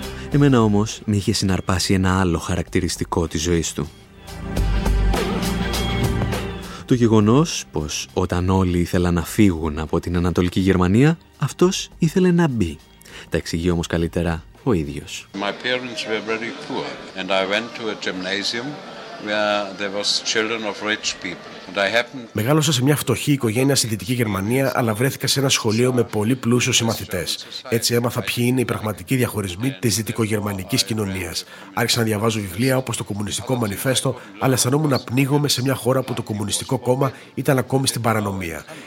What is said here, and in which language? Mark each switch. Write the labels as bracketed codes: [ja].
[el] Εμένα όμως, με είχε συναρπάσει ένα άλλο χαρακτηριστικό της ζωής του. Το γεγονός πως όταν όλοι ήθελαν να φύγουν από την Ανατολική Γερμανία, αυτός ήθελε να μπει. Τα εξηγεί όμως καλύτερα ο ίδιος. [en] My parents were very poor and I went to a gymnasium where there was children of rich people. [el] Μεγάλωσα σε μια φτωχή οικογένεια στη Δυτική Γερμανία, αλλά βρέθηκα σε ένα σχολείο με πολύ πλούσιους συμμαθητές. Έτσι έμαθα ποιοι είναι οι πραγματικοί διαχωρισμοί της δυτικογερμανικής κοινωνίας. Άρχισα να διαβάζω βιβλία όπως το Κομμουνιστικό Μανιφέστο, αλλά αισθανόμουν να πνίγομαι σε μια χώρα που το Κομμουνιστικό Κόμμα ήταν ακόμη στην παρανομία.